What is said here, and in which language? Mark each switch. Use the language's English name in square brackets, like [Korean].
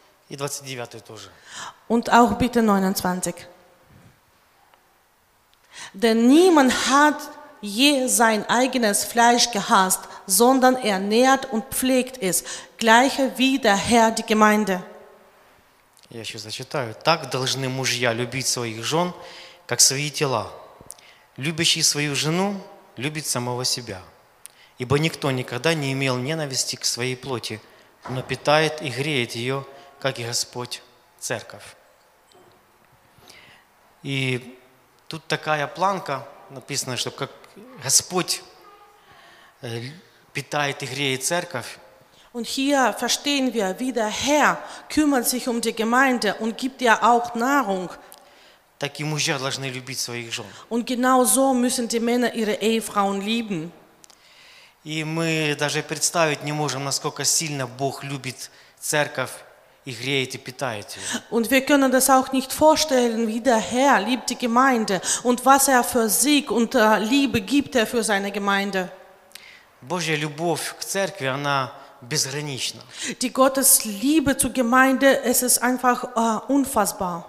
[Russian] И 29 тоже. [German] Und auch bitte 29. Denn niemand hat je sein eigenes Fleisch gehasst, sondern er nährt und pflegt es, gleich wie der Herr die Gemeinde. [Russian] Я еще зачитаю. Так должны мужья любить своих жен, как свои тела. Любящий свою жену любит самого себя. Ибо никто никогда не имел ненависти к своей плоти, но питает и греет ее, как и Господь церковь. И тут такая планка написана, что как Господь питает и греет церковь. [German] Und hier verstehen wir, wie der Herr kümmert sich um die Gemeinde und gibt ihr auch Nahrung. [Russian] Так и мужья должны любить своих жен. [German] Und genau so müssen die Männer ihre Ehefrauen lieben. [Russian] И мы даже представить не можем, насколько сильно Бог любит церковь и греет и питает ее. [German] Und wir können das auch nicht vorstellen, wie der Herr liebt die Gemeinde und was er für Sieg und Liebe gibt er für seine Gemeinde. [Russian] Божья любовь к церкви, она безгранична. [German] Die Gottes Liebe zur Gemeinde, es ist einfach unfassbar.